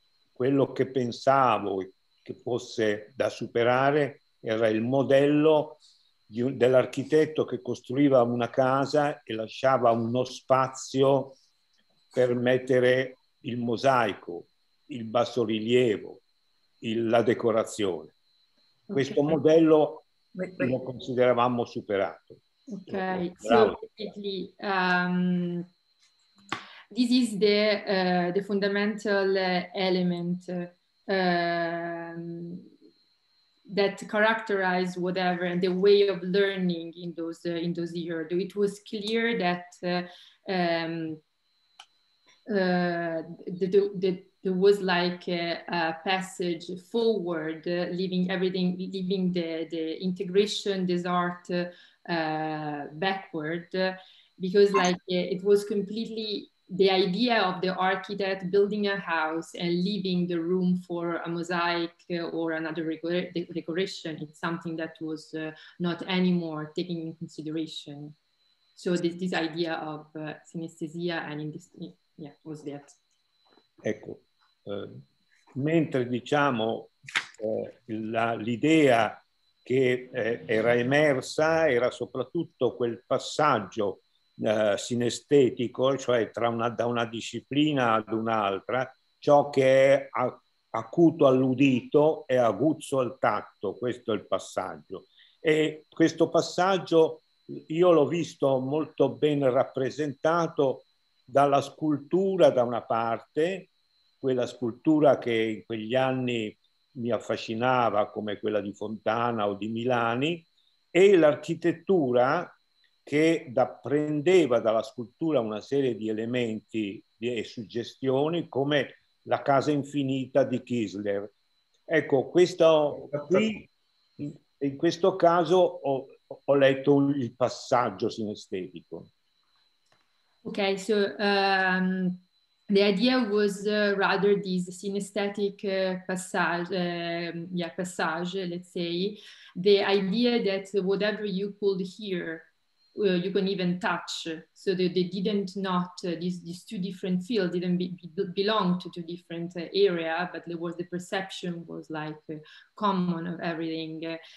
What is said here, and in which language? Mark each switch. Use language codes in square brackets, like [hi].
[it] quello che pensavo che fosse da superare era il modello dell'architetto che costruiva una casa e lasciava uno spazio per mettere il mosaico, il bassorilievo, la decorazione. Okay. Questo modello lo consideravamo superato. [en] Ok, this is the fundamental element that characterized whatever and the way of learning in those years. It was clear that there was like a passage forward, leaving everything, leaving the integration, this art backward, because like it was completely. The idea of the architect building a house and leaving the room for a mosaic or another decoration, it's something that was not anymore taken in consideration. So this idea of synesthesia and was that. [it] Ecco, mentre diciamo l'idea che era emersa era soprattutto quel passaggio sinestetico, cioè da una disciplina ad un'altra, ciò che è acuto all'udito è aguzzo al tatto, questo è il passaggio. E questo passaggio io l'ho visto molto ben rappresentato dalla scultura da una parte, quella scultura che in quegli anni mi affascinava come quella di Fontana o di Milani, e l'architettura che prendeva dalla scultura una serie di elementi e suggestioni come la casa infinita di Kiesler. Ecco, questo qui In questo caso ho letto il passaggio sinestetico. [en] Okay, so the idea was rather this synesthetic passage, let's say. The idea that whatever you could hear, you can even touch. So they didn't not, these two different fields didn't belong to two different areas, but there was the perception was like common of everything.